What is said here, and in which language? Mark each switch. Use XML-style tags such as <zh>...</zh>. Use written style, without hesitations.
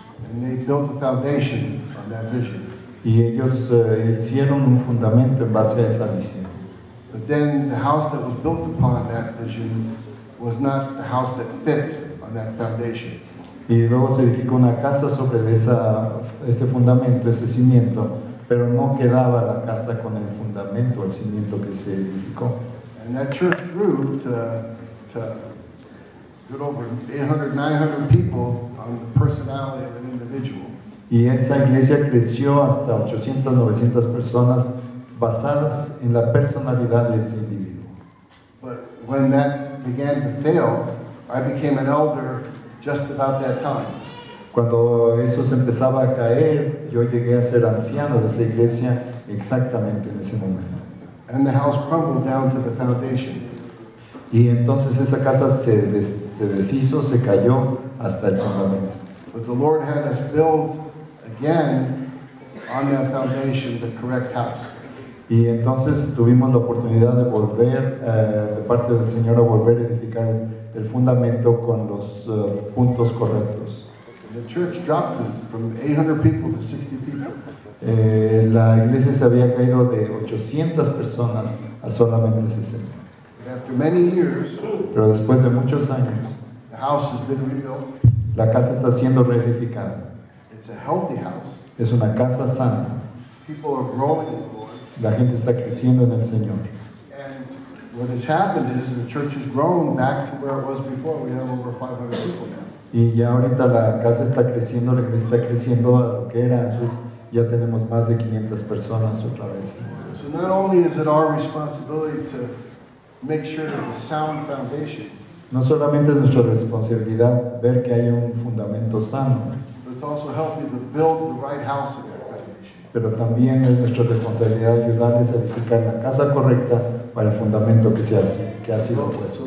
<en>And they built a foundation on that vision.</en> <es>Y ellos hicieron un fundamento en base a esa visión.</es> <en>But then the house that was built upon that vision was not the house that fit on that foundation.</en> <es>Y luego se edificó una casa sobre ese fundamento, ese cimiento, pero no quedaba la casa con el fundamento, el cimiento que se edificó.</es> <en>And that church grew to get over 800, 900 people on the personality of an individual.</en> <es>Y esa iglesia creció hasta 800, 900 personas basadas en la personalidad de ese individuo.</es> <en>But when that began to fail, I became an elder just about that time.</en> <es>Cuando eso se empezaba a caer, yo llegué a ser anciano de esa iglesia exactamente en ese momento.</es> <en>And the house crumbled down to the foundation.</en> <es>Y entonces esa casa se deshizo, se cayó hasta el fundamento.</es> <en>But the Lord had us build again on that foundation the correct house.</en> <es>Y entonces tuvimos la oportunidad de volver, de parte del Señor, a volver a edificar el fundamento con los puntos correctos.</es> <en>The church dropped from 800 people to 60 people.</en> <es>La iglesia se había caído de 800 personas a solamente 60.</es> <en>But after many years,</en> <es>pero después de muchos años,</es> <en>the house has been rebuilt.</en> <es>La casa está siendo reedificada.</es> <en>It's a healthy house.</en> <es>Es una casa sana.</es> <en>People are growing.</en> <es>La gente está creciendo en el Señor.</es> <en>And what has happened is the church has grown back to where it was before. We have over 500 people now.</en> <es>Y ya ahorita la casa está creciendo, la iglesia está creciendo a lo que era antes. Ya tenemos más de 500 personas otra vez.</es> <en>So not only is it our responsibility to make sure there's a sound foundation.</en> <es>No solamente es nuestra responsabilidad ver que hay un fundamento sano.</es> <en>But it's also helping to build the right house again.</en> <es>Pero también es nuestra responsabilidad ayudarles a edificar la casa correcta para el fundamento que se hace, que ha sido puesto.</es>